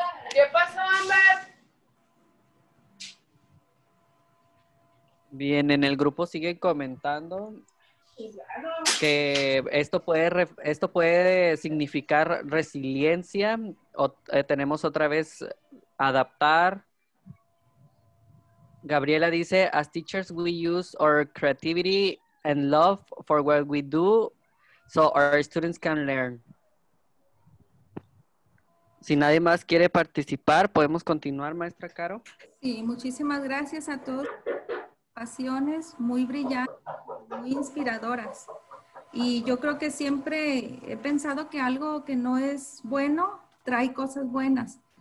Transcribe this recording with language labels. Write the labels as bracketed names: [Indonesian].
[Spanish] ¿Qué pasó, Amber? Bien, en el grupo siguen comentando que esto puede significar resiliencia. Tenemos otra vez adaptar. [English] Gabriela [Spanish] dice, [English] as teachers we use our creativity and love for what we do so our students can learn. [Spanish] Si nadie más quiere participar, podemos continuar, maestra Caro. Sí, muchísimas gracias a todos. Pasiones muy brillantes, muy inspiradoras. Y yo creo que siempre he pensado que algo que no es bueno trae cosas buenas.